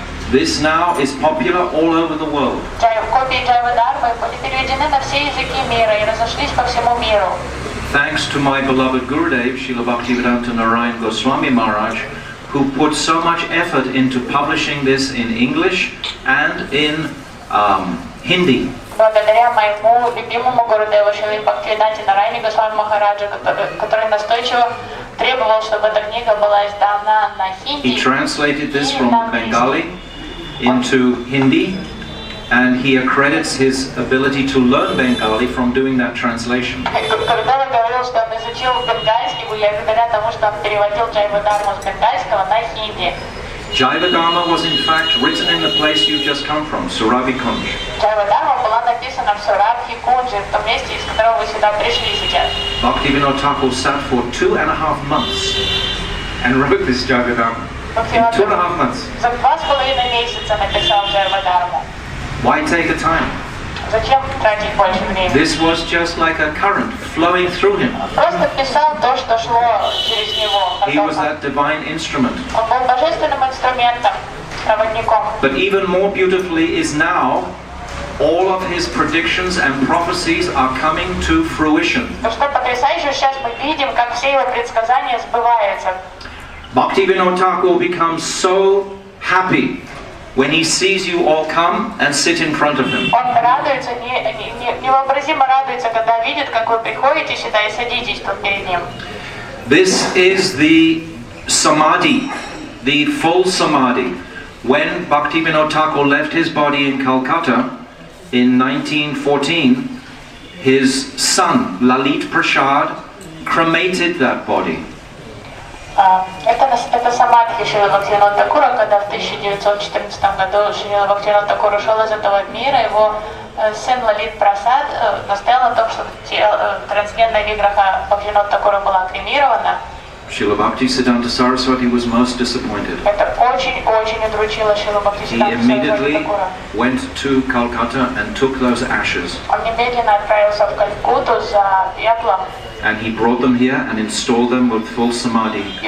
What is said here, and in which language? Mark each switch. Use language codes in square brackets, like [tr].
[en] This now is popular all over the world. Thanks to my beloved Gurudev, Srila Bhaktivedanta Narayan Goswami Maharaj, who put so much effort into publishing this in English and in Hindi. [ru] Благодаря моему любимому Гурудеву Шриле Бхактивиданте Нарайане Госвами Махараджа, который настойчиво требовал, чтобы эта книга была издана на хинди. [en] He translated this from Bengali into Hindi, and he accredits his ability to learn Bengali from doing that translation. [ru] Когда он говорил, что он изучил бенгальский, благодаря тому, что он переводил Джайва Дарму с бенгальского на хинди. [en] Jiva Dharma was in fact written in the place you've just come from, Surabhi Kunj. Jiva [ru] Dharma была написана в Surabhi Kunj, в том месте, из которого вы сюда пришли сейчас. [en] Bhaktivinoda Thakur sat for 2.5 months and wrote this Jiva Dharma. In 2.5 months. [ru] За 2.5 месяца написал Jiva Dharma. [en] Why take the time? [ru] Зачем тратить больше времени? [en] This was just like a current flowing through him. [ru] Просто писал то, что шло через него. [en] He was that divine instrument. [ru] Он был божественным инструментом, проводником. [en] But even more beautifully is now, all of his predictions and prophecies are coming to fruition. [ru] Но что потрясающе, сейчас мы видим, как все его предсказания сбываются. [en] Bhaktivinoda Thakur becomes so happy when he sees you all come and sit in front of him. [ru] Он радуется, невообразимо радуется, когда видит, как вы приходите сюда и садитесь тут перед ним. [en] This is the Samadhi, the full Samadhi. When Bhaktivinoda Thakur left his body in Calcutta in 1914, his son, Lalit Prasad, cremated that body. [ru] Это самадхи Шрилы Бхактивинода Такура, когда в 1914 году Шрила Бхактивинода Такура ушел из этого мира, его сын Лалит Прасад настоял на том, чтобы трансцендентная виграха Бхактивинода Такура была кремирована. [en] Шрила Бхактисиддханта Сарасвати was most disappointed. [ru] Это очень-очень удручило Шрилу Бхактисиддханта Саросвати. [en] He immediately went to Calcutta and took those ashes. [ru] Он немедленно отправился в Калькутту за пеплом. [en] And he brought them here and installed them with full samadhi.